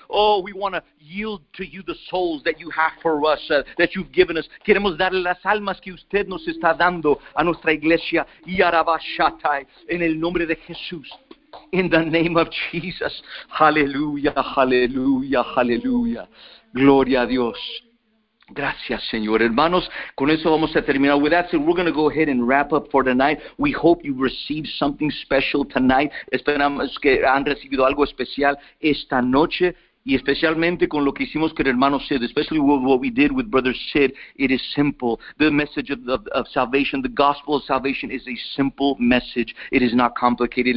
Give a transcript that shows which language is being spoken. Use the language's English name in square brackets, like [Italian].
[English] Oh, we want to yield to you the souls that you have for us, that you've given us. [Spanish] Queremos darle las almas que usted nos está dando a nuestra iglesia. Yarabashatai, en el nombre de Jesús. [English] In the name of Jesus. [Spanish] Hallelujah, hallelujah, hallelujah. Gloria a Dios. Gracias, Señor. Hermanos, con eso vamos a terminar. [English] With that said, we're going to go ahead and wrap up for tonight. We hope you received something special tonight. [Spanish] Esperamos que han recibido algo especial esta noche. Y especialmente con lo que hicimos con el hermano Sid, [English] especially with what we did with brother Sid, it is simple. The message of salvation, the gospel of salvation is a simple message. It is not complicated.